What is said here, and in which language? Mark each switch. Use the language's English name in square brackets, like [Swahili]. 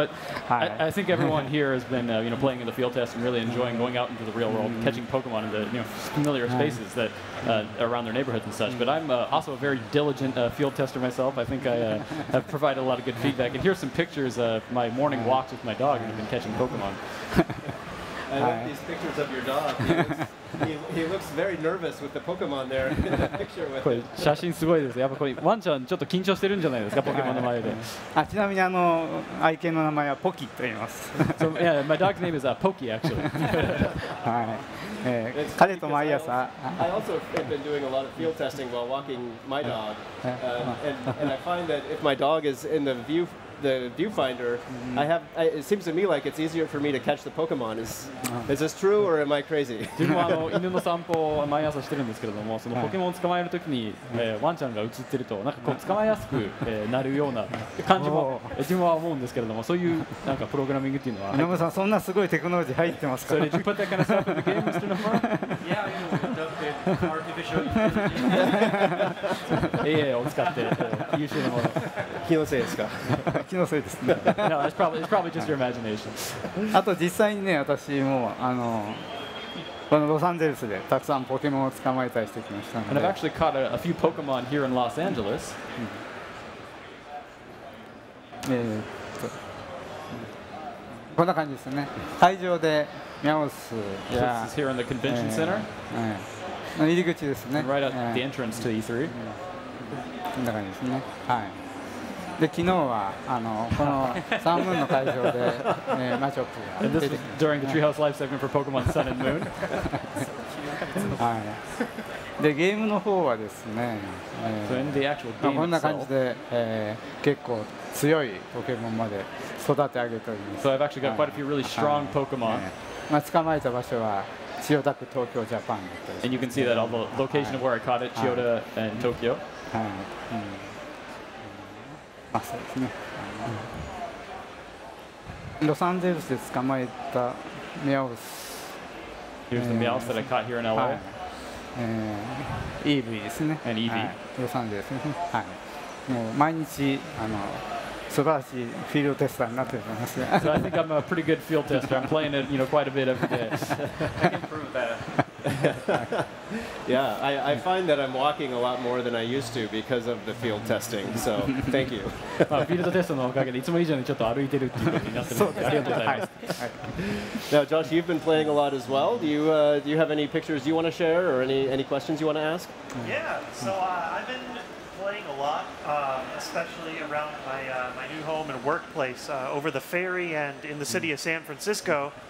[English] So I think everyone here has been playing in the field test and really enjoying going out into the real world, catching Pokemon in the familiar spaces that around their neighborhoods and such. But I'm also a very diligent field tester myself. I think I have provided a lot of good feedback. And here's some pictures of my morning walks with my dog and I've been catching Pokemon. I love these pictures of your dog. He looks very nervous with the Pokemon there in the picture with [Japanese] これ写真すごいですね。やっぱこれワンちゃんちょっと緊張してるんじゃないですか、ポケモンの前で。あ、ちなみに愛犬の名前はポキと言います。 [English] So, yeah, my dog's name is Poki, actually. [Japanese] はい。彼と毎朝 [English] I also have been doing a lot of field testing while walking my dog. And I find that if my dog is in the viewfinder, it seems to me like it's easier for me to catch the Pokemon. Is this true or am I crazy? [Japanese] 自分は犬の散歩を毎朝してるんですけれども、そのポケモンを捕まえるときに、ワンちゃんが映ってると、なんかこう捕まえやすく、なるような感じも自分は思うんですけれども、そういうなんかプログラミングっていうのは。犬のさん、そんなすごいテクノロジー入ってますか？それ、ジュパターからさ、ゲームするのか？いや、AI を使って、優秀なもの。気のせいですか？気のせいですね。 [English] No, it's probably just your imagination. [Japanese] あと実際にね、私もこのロサンゼルスでたくさんポケモンを捕まえたりしてきましたので。 [English] And I've actually caught a few Pokemon here in Los Angeles. [Japanese] こんな感じですね。会場でミャオス。 [English] This is here in the convention center. [Japanese] 入り口ですね。 [English] Right at the entrance to E3. [Japanese] こんな感じですね。はい。で昨日はこのサンムーンの会場で、マチョップが出てきました。 [English] This was during the Treehouse Live segment for Pokemon Sun and Moon. [Japanese] 、はい、でゲームの方はですね、 [English] so in the actual game itself, [Japanese] こんな感じで、結構強いポケモンまで育て上げております。 [English] So I've actually got quite a few really strong Pokemon. [Japanese] 捕まえた場所は千代田区東京ジャパンだったり。 [English] And you can see that all the location of where I caught it, 千代田 and Tokyo. [Japanese] はい、ロサンゼルスで捕まえたミャオス。 [English] Here's the Meowth that I caught here in LA. [Japanese] EV ですね。 [English] An EV. [Japanese] ロサンゼルス。はい。もう毎日あの素晴らしいフィールドテスターになっていますね。 [English] So I think I'm a pretty good field tester. I'm playing it, you know, quite a bit every day. I can prove that. Yeah, I find that I'm walking a lot more than I used to because of the field testing. So thank you. [Japanese] まあフィールドテストのおかげでいつも以上にちょっと歩いてるっていうことになってます。ありがとうございます。 [English] Now, Josh, you've been playing a lot as well. Do you have any pictures you want to share or any questions you want to ask? Yeah. So I've been playing a lot, especially around my new home and workplace, over the ferry and in the city of San Francisco.